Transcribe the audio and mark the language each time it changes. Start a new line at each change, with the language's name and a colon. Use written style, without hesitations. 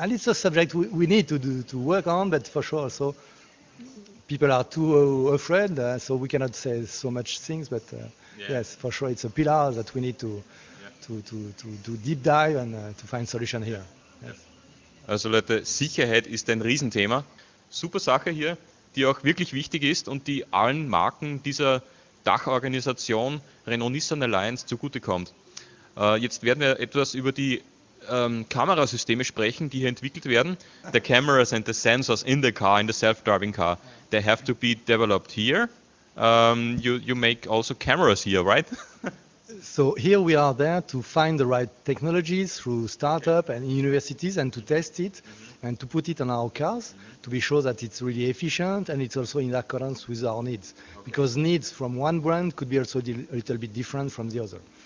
English: And it's a subject we need to work on, but for sure also, people are too afraid, so we cannot say so much things, but yes, for sure, it's a pillar that we need to do deep dive and to find solution here.
German: Yes. Also Leute, Sicherheit ist ein Riesenthema. Super Sache hier, die auch wirklich wichtig ist und die allen Marken dieser Dachorganisation Renault-Nissan Alliance zugutekommt. Jetzt werden wir etwas über die Kamerasysteme sprechen, die hier entwickelt werden.
English: The cameras and the sensors in the car, in the self-driving car, they have to be developed here. You make also cameras here, right? So here we are there to find the right technologies through startup and universities and to test it and to put it on our cars to be sure that it's really efficient and it's also in accordance with our needs. Okay. Because needs from one brand could be also a little bit different from the other.